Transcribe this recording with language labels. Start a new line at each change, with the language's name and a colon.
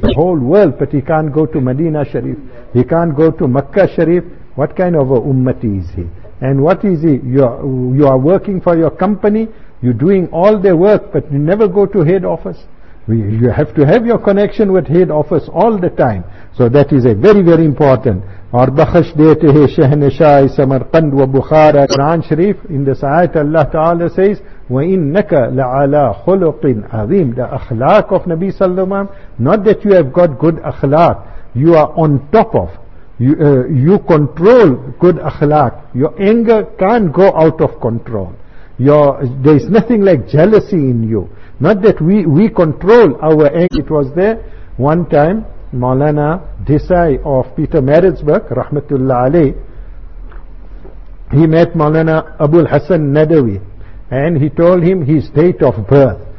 English: the whole world, but he can't go to Medina Sharif. He can't go to Makkah Sharif. What kind of a ummati is he? And what is he? You are working for your company. You're doing all their work, but you never go to head office. You have to have your connection with head office all the time. So that is a very, very important.
Urdu: اور بخش دیتے ہیں شہنشاہ سمرقند و بخارا.
English: قرآن شریف in this آیت اللہ تعالی says
Arabic: وَإِنَّكَ لَعَلَى خُلُقٍ عَظِيمٍ.
English: The اخلاق of Nabi Sallallahu Alaihi Wasallam, not that you have got good اخلاق, you are on top of, you control good اخلاق. Your anger can't go out of control. There is nothing like jealousy in you. Not that we control our anger. It was there one time Maulana Desai of Peter Maritzburg, Rahmatullah Alayh, he met Maulana Abul Hassan Nadawi and he told him his date of birth.